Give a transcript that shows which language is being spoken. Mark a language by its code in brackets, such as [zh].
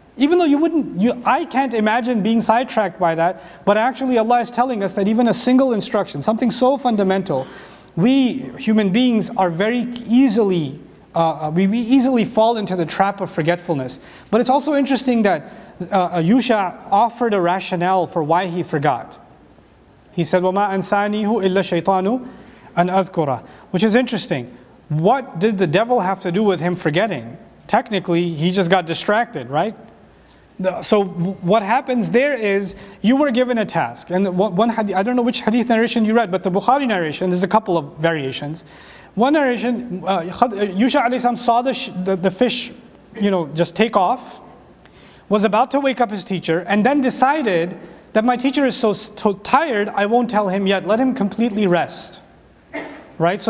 [en] Even though I can't imagine being sidetracked by that, but actually Allah is telling us that even a single instruction, something so fundamental, we human beings are very easily, we easily fall into the trap of forgetfulness. But it's also interesting that Yusha offered a rationale for why he forgot. He said, [ar] وَمَا أَنْسَانِيهُ إِلَّا شَيْطَانُ أَنْ أَذْكُرَ, [en] which is interesting. What did the devil have to do with him forgetting? Technically, he just got distracted, right? So what happens there is, you were given a task. And one hadith, I don't know which hadith narration you read, but the Bukhari narration, there's a couple of variations. One narration, Yusha alayhi salam saw the fish, you know, just take off, was about to wake up his teacher, and then decided that my teacher is so tired, I won't tell him yet, let him completely rest. Right?